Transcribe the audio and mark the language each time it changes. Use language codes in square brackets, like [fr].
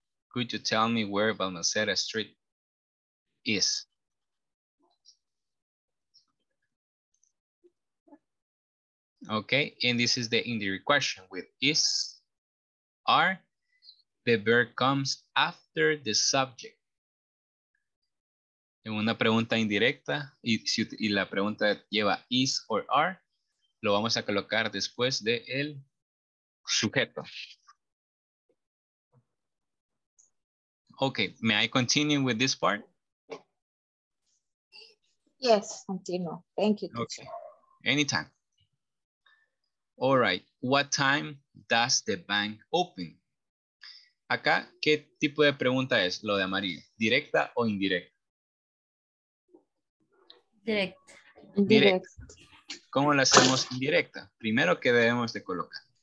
[en] Could you tell me where Balmaceda Street is? Okay, and this is the indirect question with is, are. The verb comes after the subject. [es] En una pregunta indirecta, y la pregunta lleva is or are, lo vamos a colocar después de el sujeto. [en] Okay, may I continue with this part? Yes, continue. Thank you. Okay, anytime. All right, what time does the bank open? [es] Acá, ¿qué tipo de pregunta es lo de amarillo? ¿Directa o indirecta? [en] Direct. [es] ¿Cómo la hacemos indirecta? Primero, ¿qué debemos de colocar?